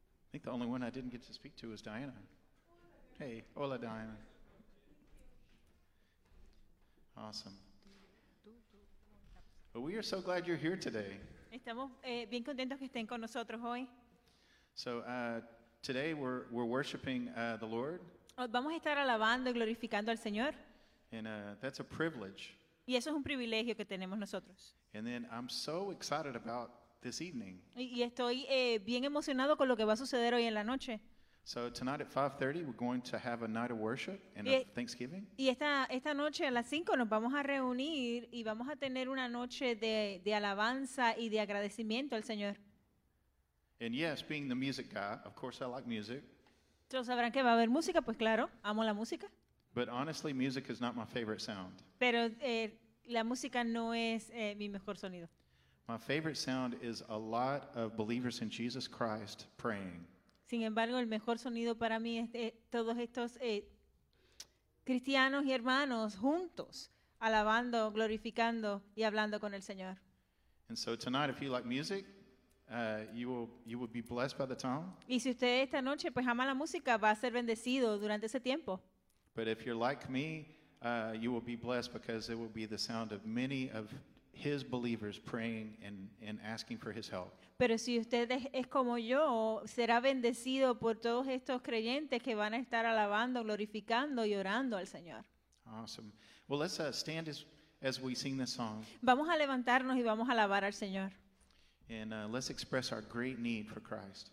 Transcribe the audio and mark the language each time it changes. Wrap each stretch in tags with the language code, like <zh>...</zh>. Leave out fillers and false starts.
<en>I think the only one I didn't get to speak to was Diana. Hey, hola, Diana. Awesome. But we are so glad you're here today.</en> <es>Estamos bien contentos que estén con nosotros hoy.</es> <en>So today we're worshiping the Lord.</en> <es>Vamos a estar alabando y glorificando al Señor.</es> <en>And that's a privilege.</en> <es>Y eso es un privilegio que tenemos nosotros.</es> <en>And then I'm so excited about this evening.</en> <es>Y estoy bien emocionado con lo que va a suceder hoy en la noche.</es> <en>So tonight at 5:30 we're going to have a night of worship and of Thanksgiving.</en> <es>Y esta noche a las 5 nos vamos a reunir y vamos a tener una noche de alabanza y de agradecimiento al Señor.</es> <en>And yes, being the music guy, of course I like music.</en> <es>¿Tú sabrán que va a haber música? Pues claro, amo la música.</es> <en>But honestly, music is not my favorite sound.</en> <es>Pero la música no es mi mejor sonido.</es> <en>My favorite sound is a lot of believers in Jesus Christ praying.</en> <es>Sin embargo, el mejor sonido para mí es todos estos cristianos y hermanos juntos, alabando, glorificando y hablando con el Señor.</es> <en>And so tonight, if you like music, you will be blessed by the time.</en> <es>Y si usted esta noche pues ama la música, va a ser bendecido durante ese tiempo.</es> <en>But if you're like me, you will be blessed because it will be the sound of many of His believers praying and asking for His help.</en> <es>Pero si usted es como yo, será bendecido por todos estos creyentes que van a estar alabando, glorificando y orando al Señor.</es> <en>Awesome. Well, let's stand as we sing this song.</en> <es>Vamos a levantarnos y vamos a alabar al Señor.</es> <en>And let's express our great need for Christ.</en>